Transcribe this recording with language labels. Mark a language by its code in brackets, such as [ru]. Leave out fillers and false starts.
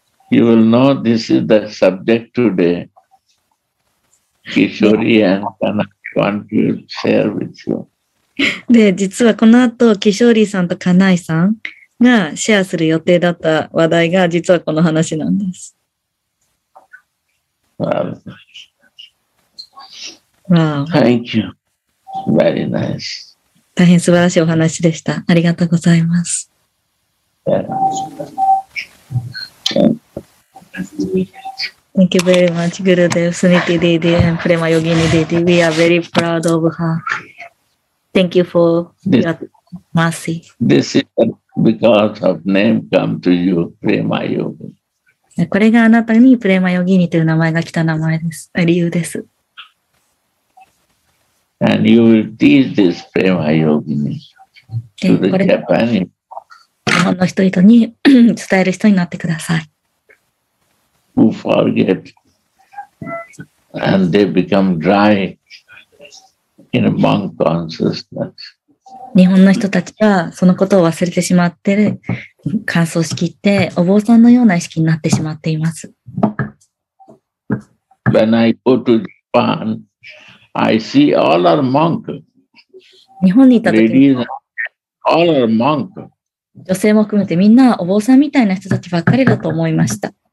[en] You will know this is the subject today. Kishori and Kanaki want to share with you. [ja] で、実はこの後、キショーリーさんとカナイさんがシェアする予定だった話題が実はこの話なんです。 [en] Radha. Wow. Thank you. Very nice. [ja] 大変素晴らしいお話でした。ありがとうございます。 [en] Thank you very much, Gurudev, Suniti Didi, and Prema Yogini Didi. We are very proud of her. Thank you for this, your mercy. This is because of name come to you, Prema Yogi. [ja] これがあなたにプレマヨギニという名前が来た名前です。理由です。 [en] And you will teach this Prema Yogini to the Japanese. [ja] 日本の人々に伝える人になってください。 [en] Who forget and they become dry in a monk consciousness. [ja] 日本の人たちはそのことを忘れてしまって、乾燥しきってお坊さんのような意識になってしまっています。 [en] When I go to Japan, I see all our monk. [ja] 日本にいた時に、 [en] all our monk. [ja] 女性も含めてみんなお坊さんみたいな人たちばっかりだと思いました。